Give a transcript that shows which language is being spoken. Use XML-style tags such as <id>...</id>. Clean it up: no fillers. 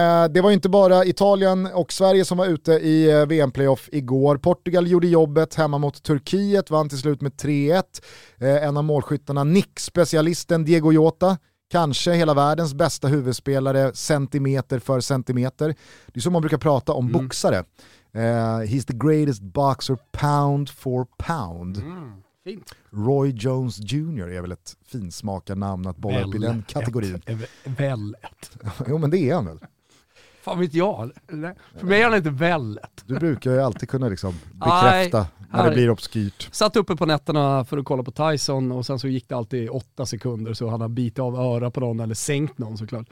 <sv>Det var ju inte bara Italien och Sverige som var ute i VM-playoff igår. Portugal gjorde jobbet hemma mot Turkiet, vann till slut med 3-1. En av målskyttarna, nickspecialisten Diego Jota, kanske hela världens bästa huvudspelare centimeter för centimeter. Det är som man brukar prata om boxare.</sv> <en>He's the greatest boxer pound for pound.</en> <sv>Fint. Roy Jones Jr. är väl ett finsmakarnamn att bolla upp i den kategorin. Vället. Jo, men det är han väl. Fan vet jag. Nej. För mig är han inte vället. Du brukar ju alltid kunna liksom bekräfta när det blir obskyrt. Satt uppe på nätterna för att kolla på Tyson, och sen så gick det alltid 8 sekunder, så han har bit av öra på någon eller sänkt någon, såklart.</sv>